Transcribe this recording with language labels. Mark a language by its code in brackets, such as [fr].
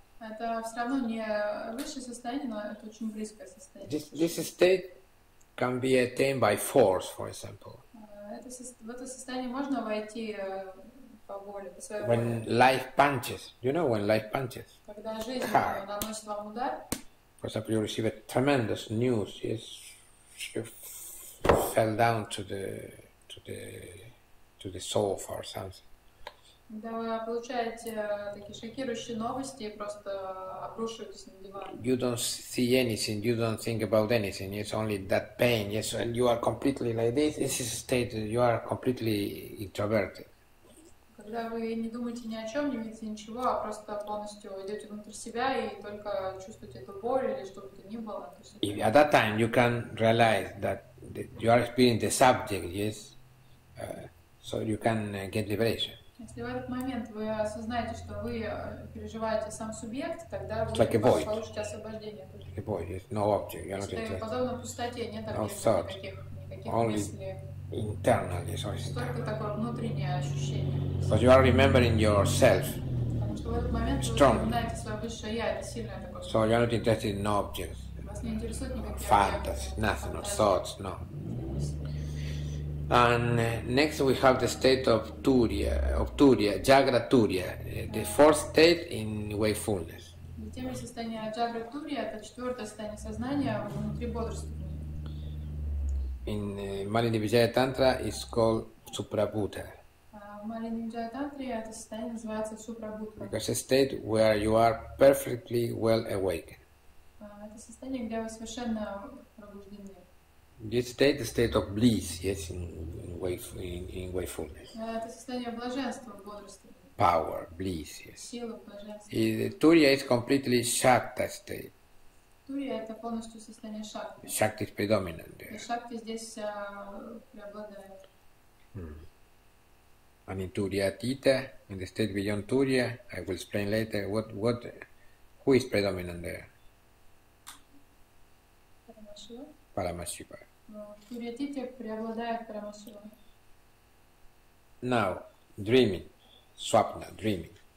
[ru] Это все равно не высшее состояние, но это очень близкое состояние. [en] This state can be attained by force, for example. [ru] В это состояние можно войти по воле, по своей воле. [en] When life punches, you know, when life punches. [ru] Когда жизнь наносит вам удар. [en] For example, you receive a tremendous news. Yes, you fell down to the sofa or something. [ru] Да, вы получаете такие шокирующие новости и просто обрушиваетесь на диван. [en] You don't see anything, you don't think about anything. It's only that pain. Yes, and you are completely like this. This is a state that you are completely introverted. [ru] Когда вы не думаете ни о чем, не видите ничего, а просто полностью идете внутрь себя и только чувствуете эту боль или что бы то ни было. [en] If at that time you can realize that you are experiencing the subject, yes, so you can get liberation. [ru] Если в этот момент вы осознаете, что вы переживаете сам субъект, тогда вы получите освобождение. [en] Like a void. No object. You're not [ru] если [en] interested. [ru] Подобно пустоте, нет никаких [en] internally, [ru] мыслей. [en] Only internally. [ru] Только такое внутреннее ощущение. [en] Because you are remembering yourself. [ru] Потому что в этот момент strong. Вы вспоминаете свое высшее я, это сильное такое. [en] So you're not interested in no objects. [ru] Вас не интересует никакие [en] фантазии, nothing, no thoughts, no. And next we have the state of Turiya, Jagrat Turiya, the fourth state in wakefulness. [ru] Затем есть состояние Jagrat Turiya, это четвертое состояние сознания внутри бодрствования. [en] In Malinivijaya Tantra it's called Suprabhuta. [ru] В Малинивиджая Тантре это состояние называется Супрабхута. [en] Because it's a state where you are perfectly well awakened. [ru] Это состояние, где вы совершенно пробуждены. [en] This state is a state of bliss, yes, in wakefulness. [ru] Это состояние блаженства в бодрствовании. [en] Power, bliss, yes. [ru] Сила, блаженство. [en] Turiya is completely shakta state. [ru] Turiya это полностью состояние шакты. [en] Shakti is predominant there. [ru] И шакти здесь преобладает. [en] And in Turiya Tita, in the state beyond Turiya, I will explain later what who is predominant there. Paramashiva. Now, dreaming, swapna, dreaming.